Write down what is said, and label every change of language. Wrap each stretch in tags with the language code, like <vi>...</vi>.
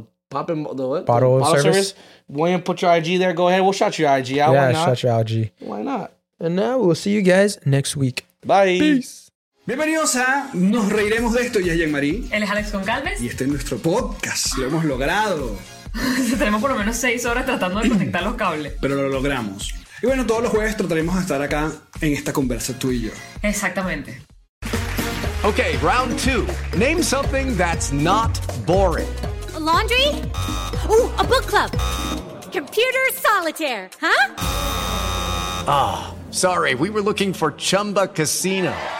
<en>Any of you guys on that bottle service? When you put your IG there, go ahead. We'll shout your IG out. Yeah, shout your IG. Why not? And now we'll see you guys next week. Bye. Peace.</en> <es>Bienvenidos a Nos Reiremos De Esto. Yo soy Jean-Marie. Él es Alex Goncalves. Y este es nuestro podcast. Lo hemos logrado. Tenemos por lo menos 6 horas tratando de conectar los cables. Pero lo logramos. Y bueno, todos los jueves trataremos de estar acá en esta conversa tú y yo. Exactamente.</es> <en>Okay, round 2. Name something that's not boring. A laundry? Ooh, a book club. Computer solitaire, huh? Ah, oh, sorry. We were looking for Chumba Casino.</en>